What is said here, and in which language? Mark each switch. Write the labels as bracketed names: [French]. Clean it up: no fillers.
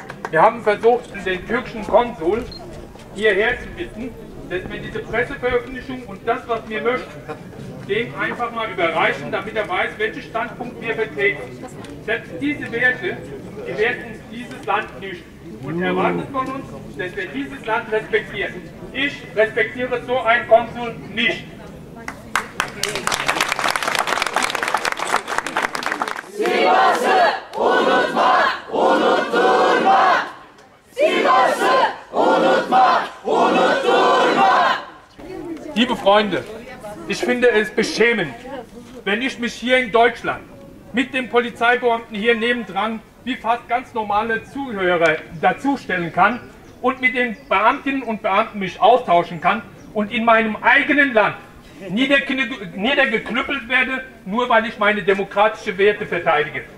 [German] Wir haben versucht, den türkischen Konsul hierher zu bitten, dass wir diese Presseveröffentlichung und das, was wir möchten, dem einfach mal überreichen, damit er weiß, welchen Standpunkt wir vertreten. Selbst diese Werte gewährt uns dieses Land nicht und erwartet von uns, dass wir dieses Land respektieren. Ich respektiere so ein Konsul nicht. [Turkish] Sivas'ı unutmak, unutturmak. Sivas'ı unutmak, unutturmak. [German] Liebe Freunde, ich finde es beschämend, wenn ich mich hier in Deutschland mit dem Polizeibeamten hier nebendran wie fast ganz normale Zuhörer dazustellen kann und mit den Beamtinnen und Beamten mich austauschen kann und in meinem eigenen Land niedergeknüppelt werde, nur weil ich meine demokratische Werte verteidige.